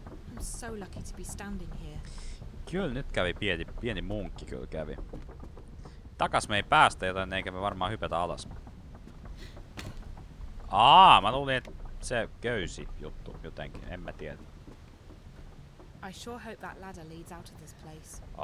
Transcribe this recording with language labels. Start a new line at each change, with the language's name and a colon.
English: I'm so lucky to be standing here.
Finnish: Kyllä nyt kävi pieni munkki kyllä kävi. Takas me ei päästä, joten eikä me varmaan hypätä alas. Mä luulin, että se köysi juttu jotenkin, en mä tiedä.
English: I sure hope that ladder leads out of this place.